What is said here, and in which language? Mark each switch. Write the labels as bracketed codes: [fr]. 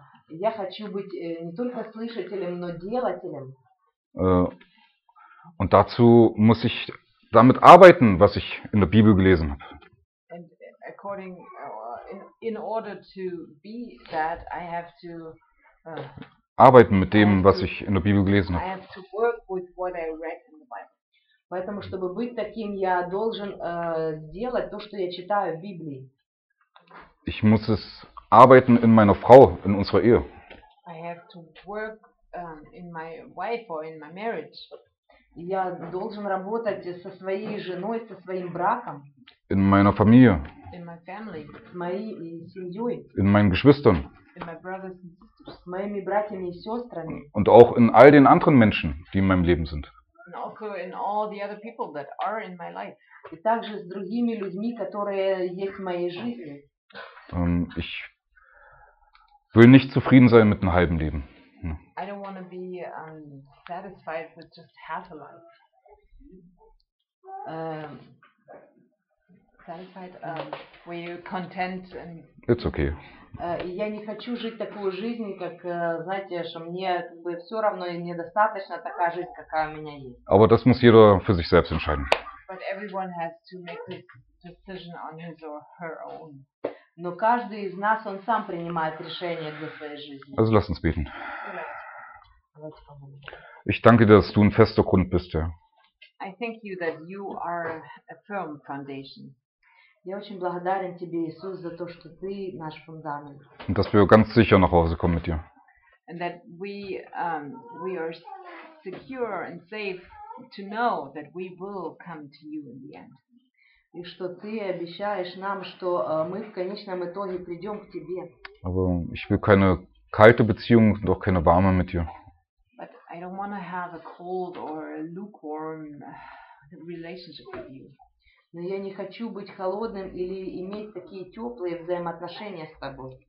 [ru] Я хочу быть не только слышателем, но делателем. [de] Und dazu muss ich damit arbeiten, was ich in der Bibel gelesen habe. [en] And according in order to be that, I have to [de] arbeiten mit dem, was ich in der Bibel gelesen habe. [en] I have to work with what I read in the Bible. [ru] Поэтому, чтобы быть таким, я должен делать то, что я читаю в Библии. [de] Ich muss es arbeiten in meiner Frau, in unserer Ehe. [en] I have to work in my wife or in my marriage. [ru] Я должен работать со своей женой, со своим браком. [de] In meiner Familie. [en] In my family. [ru] С моей семьей. [de] In meinen Geschwistern. [en] In my brothers and sisters. [ru] С моими братьями и сестрами. [de] Und auch in all den anderen Menschen, die in meinem Leben sind. [en] And also in all the other people that are in my life. [ru] И также с другими людьми, которые есть в моей жизни. [de] Ich will nicht zufrieden sein mit einem halben Leben. [en] I don't want to be satisfied with just half a life. Satisfied? Were you content? And it's okay. [ru] Я не хочу жить такую жизнь, как, знаете, что мне как бы все равно и недостаточно такая жизнь, какая у меня есть. [de] Aber das muss jeder für sich selbst entscheiden. [en] But everyone has to make this decision on his or her own. [ru] Но каждый из нас, он сам принимает решение для своей жизни. [de] Also lass uns beten. Ich danke dir, dass du ein fester Grund bist, Herr. [en] I thank you that you are a firm foundation. [ru] Я очень благодарен тебе, Иисус, за то, что ты наш фундамент. [de] Und dass wir ganz sicher nach Hause kommen mit dir. [en] And that we are secure and safe to know that we will come to you in the end. [ru] И что ты обещаешь нам, что мы в конечном итоге придем к тебе. [de] Aber ich will keine kalte Beziehung, doch keine warme mit dir. [en] But I don't want to have a cold or a lukewarm relationship with you. [ru] Но я не хочу быть холодным или иметь такие теплые взаимоотношения с тобой.